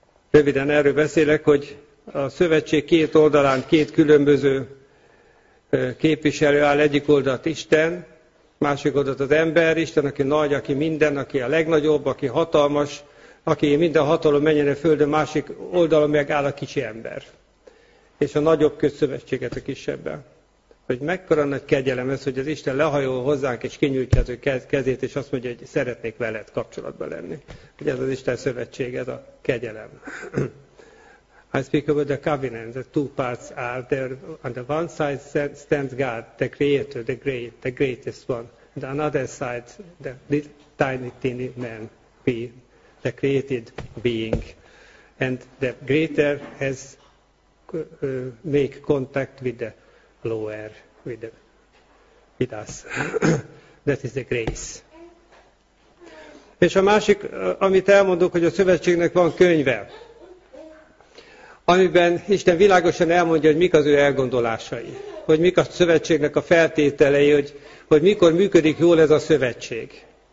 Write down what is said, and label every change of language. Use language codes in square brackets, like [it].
[hu] Röviden erről beszélek, hogy a szövetség két oldalán két különböző képviselő áll, egyik oldalt Isten, másik oldalt az ember, Isten, aki nagy, aki minden, aki a legnagyobb, aki hatalmas, aki minden hatalom menjen a földön, másik oldalon meg áll a kicsi ember. És a nagyobb közszövetséget a kisebben. Hogy mekkora nagy kegyelem ez, hogy az Isten lehajol hozzánk, és kinyújtja az ő kezét, és azt mondja, hogy szeretnék veled kapcsolatban lenni. Hogy ez az Isten szövetség, ez a kegyelem. [en] I speak about the covenant, the two parts are there. On the one side stands God, the creator, the great, the greatest one. On the other side, the little, tiny, tiny man, we, the created being. And the greater has make contact with the lower, with us. That is the grace. [hu] És a másik, amit elmondok, hogy a szövetségnek van könyve, amiben Isten világosan elmondja, hogy mik az ő elgondolásai, hogy mik a szövetségnek a feltételei, hogy mikor működik jól ez a szövetség.